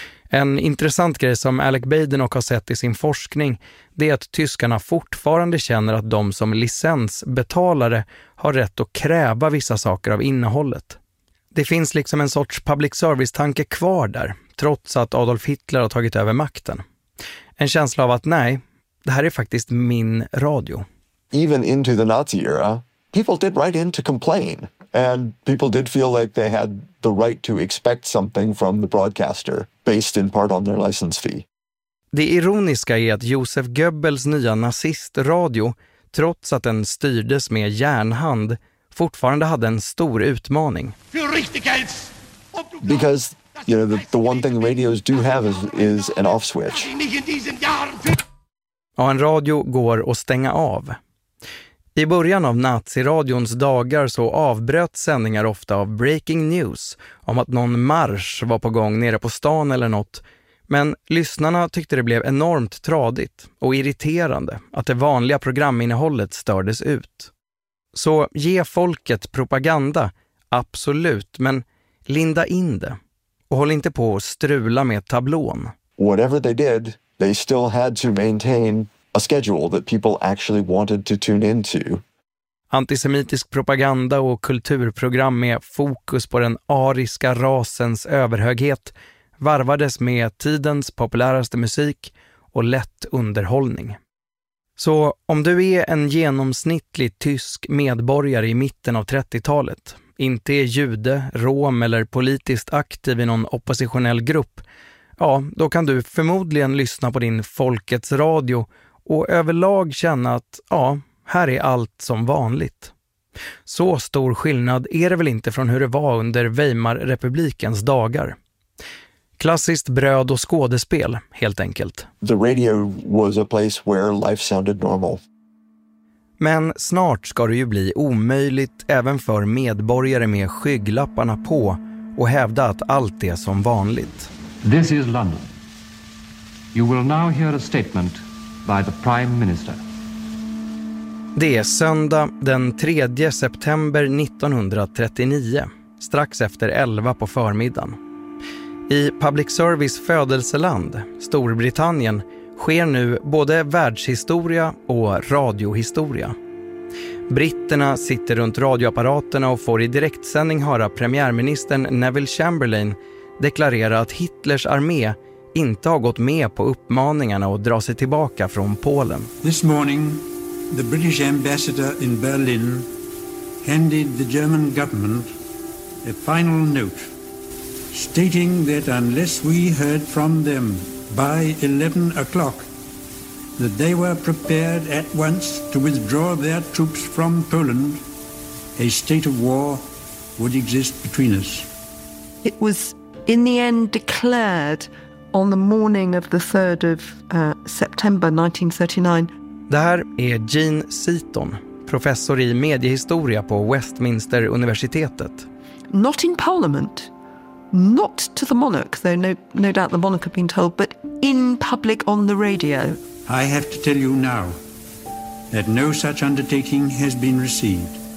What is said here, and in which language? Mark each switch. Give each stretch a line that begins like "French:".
Swedish: En intressant grej som Alec Badenoch har sett i sin forskning, det är att tyskarna fortfarande känner att de som licensbetalare har rätt att kräva vissa saker av innehållet. Det finns liksom en sorts public service-tanke kvar där, trots att Adolf Hitler har tagit över makten. En känsla av att nej, det här är faktiskt min radio.
English: Even into the Nazi era, people did write in to complain. And people did feel like they had the right to expect something from the broadcaster based in part on their license fee.
Swedish: Det ironiska är att Josef Goebbels nya nazistradio, trots att den styrdes med järnhand, fortfarande hade en stor utmaning.
English: Because you know the one thing radios do have is an off switch.
Swedish: Ja, en radio går att stänga av. I början av naziradions dagar så avbröt sändningar ofta av breaking news om att någon marsch var på gång nere på stan eller något. Men lyssnarna tyckte det blev enormt tradigt och irriterande att det vanliga programinnehållet stördes ut. Så ge folket propaganda, absolut, men linda in det. Och håll inte på att strula med tablån.
English: Whatever they did, they still had to maintain a schedule that people actually wanted to tune into.
Swedish: Antisemitisk propaganda och kulturprogram med fokus på den ariska rasens överhöghet varvades med tidens populäraste musik och lätt underhållning. Så om du är en genomsnittlig tysk medborgare i mitten av 30-talet, inte är jude, rom eller politiskt aktiv i någon oppositionell grupp, ja, då kan du förmodligen lyssna på din folkets radio och överlag känna att, ja, här är allt som vanligt. Så stor skillnad är det väl inte från hur det var under Weimarrepublikens dagar. Klassiskt bröd och skådespel, helt enkelt.
English: The radio was a place where life sounded normal.
Swedish: Men snart ska det ju bli omöjligt även för medborgare med skygglapparna på och hävda att allt är som vanligt.
English: This is London. You will now hear a statement by the Prime Minister.
Swedish: Det är söndag den 3 september 1939, strax efter 11 på förmiddagen. I public service födelseland, Storbritannien, sker nu både världshistoria och radiohistoria. Britterna sitter runt radioapparaterna och får i direktsändning höra premiärministern Neville Chamberlain deklarera att Hitlers armé inte har gått med på uppmaningarna att dra sig tillbaka från Polen.
English: This morning, the British ambassador in Berlin handed the German government a final note stating that unless we heard from them by 11 o'clock that they were prepared at once to withdraw their troops from Poland, a state of war would exist between us. It was in the end declared on the morning of the 3rd of September 1939.
Swedish: Det här är Jean Seaton, professor i mediehistoria på Westminster universitetet.
English: Not in parliament. Not to the monarch, though no doubt the monarch had been told, but in public on the radio. I have to tell you now that no such undertaking has been received.